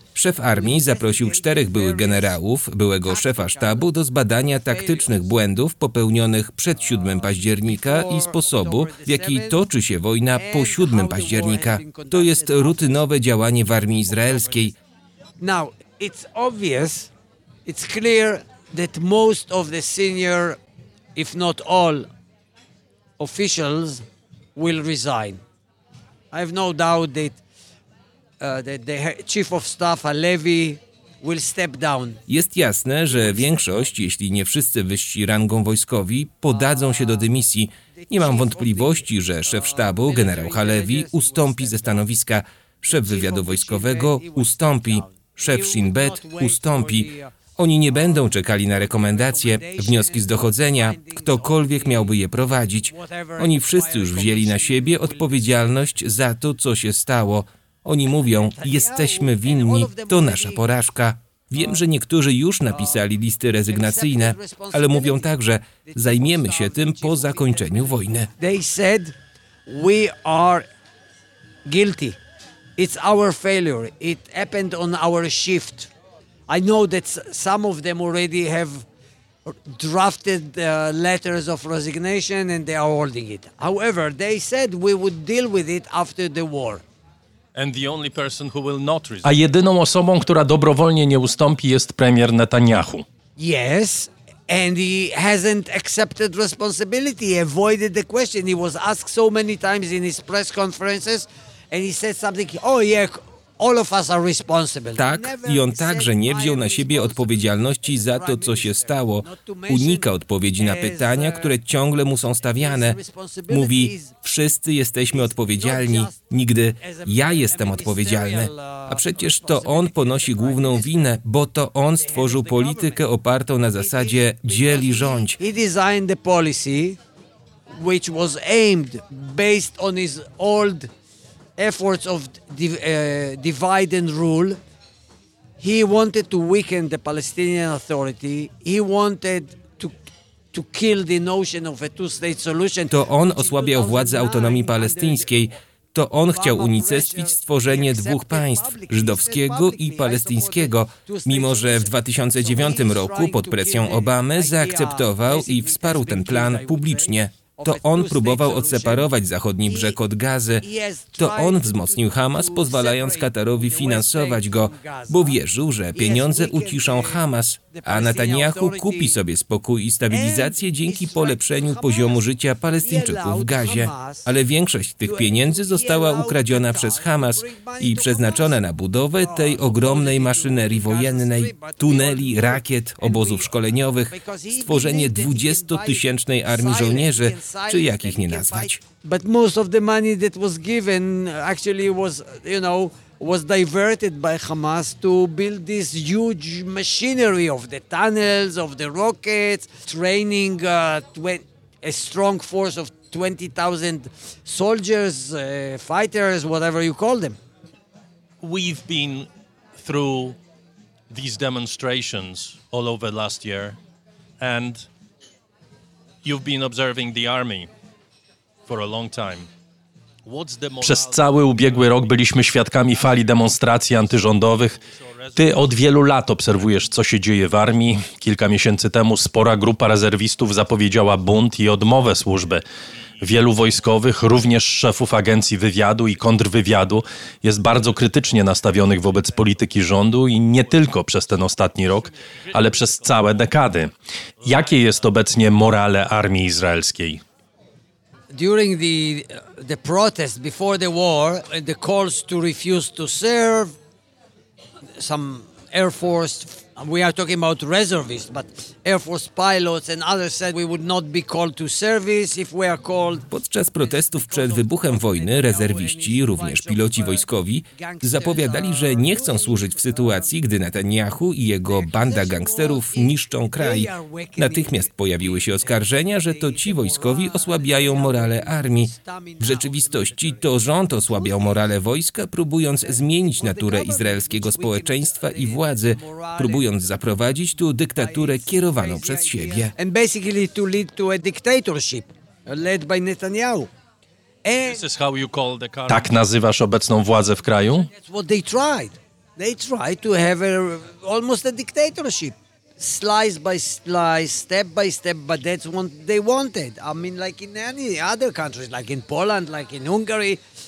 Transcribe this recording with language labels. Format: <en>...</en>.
<pl>Szef armii zaprosił 4 byłych generałów, byłego szefa sztabu do zbadania taktycznych błędów popełnionych przed 7 października i sposobu, w jaki toczy się wojna po 7 października. To jest rutynowe działanie w armii izraelskiej.</pl> <en>Now, it's obvious, it's clear that most of the senior, if not all, officials will resign. I have no doubt that the chief of staff Halevi will step down.</en> <pl>Jest jasne, że większość, jeśli nie wszyscy wyżsi rangą wojskowi, podadzą się do dymisji. Nie mam wątpliwości, że szef sztabu, generał Halevi, ustąpi ze stanowiska. Szef wywiadu wojskowego ustąpi. Szef Shin Bet ustąpi. Oni nie będą czekali na rekomendacje, wnioski z dochodzenia, ktokolwiek miałby je prowadzić. Oni wszyscy już wzięli na siebie odpowiedzialność za to, co się stało. Oni mówią, jesteśmy winni, to nasza porażka. Wiem, że niektórzy już napisali listy rezygnacyjne, ale mówią także, zajmiemy się tym po zakończeniu wojny.</pl> <en>They said, we are guilty. It's our failure. It happened on our shift. I know that some of them already have drafted letters of resignation and they are holding it. However, they said we would deal with it after the war. And the only person who will not resign.</en> <pl>A jedyną osobą, która dobrowolnie nie ustąpi, jest premier Netanyahu.</pl> <en>Yes, and he hasn't accepted responsibility, avoided the question. He was asked so many times in his press conferences and he said something, oh yeah, all of us are responsible.</en> <pl>Tak, i on także nie wziął na siebie odpowiedzialności za to, co się stało. Unika odpowiedzi na pytania, które ciągle mu są stawiane. Mówi, wszyscy jesteśmy odpowiedzialni, nigdy ja jestem odpowiedzialny. A przecież to on ponosi główną winę, bo to on stworzył politykę opartą na zasadzie dziel i rządź.</pl> <en>He designed the policy, which was aimed based on his old efforts of divide and rule. He wanted to weaken the Palestinian Authority. He wanted to kill the notion of a two-state solution.</en> <pl>To on osłabiał władzę autonomii palestyńskiej. To on chciał unicestwić stworzenie dwóch państw, żydowskiego i palestyńskiego, mimo że w 2009 roku pod presją Obamy zaakceptował i wsparł ten plan publicznie. To on próbował odseparować zachodni brzeg od Gazy. To on wzmocnił Hamas, pozwalając Katarowi finansować go, bo wierzył, że pieniądze uciszą Hamas, a Netanyahu kupi sobie spokój i stabilizację dzięki polepszeniu poziomu życia Palestyńczyków w Gazie. Ale większość tych pieniędzy została ukradziona przez Hamas i przeznaczona na budowę tej ogromnej maszynerii wojennej, tuneli, rakiet, obozów szkoleniowych, stworzenie 20-tysięcznej armii żołnierzy, czy jak ich nie nazwać.</pl> <en>But most of the money that was given actually was, you know, was diverted by Hamas to build this huge machinery of the tunnels, of the rockets, training a strong force of 20,000 soldiers, fighters, whatever you call them. We've been through these demonstrations all over last year and you've been observing the army for a long time.</en> <pl>Przez cały ubiegły rok byliśmy świadkami fali demonstracji antyrządowych. Ty od wielu lat obserwujesz, co się dzieje w armii. Kilka miesięcy temu spora grupa rezerwistów zapowiedziała bunt i odmowę służby. Wielu wojskowych, również szefów agencji wywiadu i kontrwywiadu, jest bardzo krytycznie nastawionych wobec polityki rządu i nie tylko przez ten ostatni rok, ale przez całe dekady. Jakie jest obecnie morale armii izraelskiej?</pl> <en>During the protest before the war, the calls to refuse to serve, some Air Force, we are talking about reservists, but Air Force pilots and others said we would not be called to service if we are called.</en> <pl>Podczas protestów przed wybuchem wojny, rezerwiści, również piloci wojskowi, zapowiadali, że nie chcą służyć w sytuacji, gdy Netanyahu i jego banda gangsterów niszczą kraj. Natychmiast pojawiły się oskarżenia, że to ci wojskowi osłabiają morale armii. W rzeczywistości to rząd osłabiał morale wojska, próbując zmienić naturę izraelskiego społeczeństwa i władzy, próbując zaprowadzić tu dyktaturę kierowaną przez siebie.</pl> <en>And basically to lead to a dictatorship led by Netanyahu. This is how you call the current.</en> <pl>Tak nazywasz obecną władzę w kraju?</pl> <en>That's what they tried. They tried to have almost a dictatorship. Slice by slice, step by step, but that's what they wanted. I mean, like in any other countries, like in Poland, like in Hungary.</en>